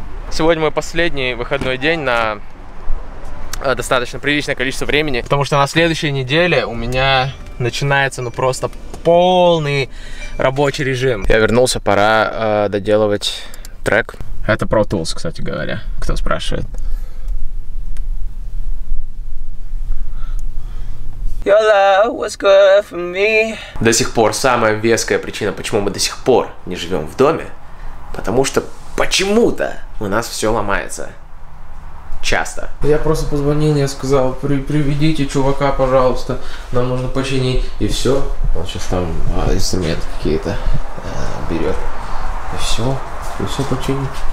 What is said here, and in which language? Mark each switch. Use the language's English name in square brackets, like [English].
[Russian] Сегодня мой последний выходной день на достаточно приличное количество времени, потому что на следующей неделе у меня начинается, ну, просто... полный рабочий режим. Я вернулся, пора доделывать трек. Это Pro Tools, кстати говоря, кто спрашивает. [English] Your love was good for me. [Russian] До сих пор самая веская причина, почему мы до сих пор не живем в доме, потому что почему-то у нас все ломается. Часто. Я просто позвонил, я сказал, приведите чувака, пожалуйста, нам нужно починить, и все. Он сейчас там инструменты какие-то берет, и все починит.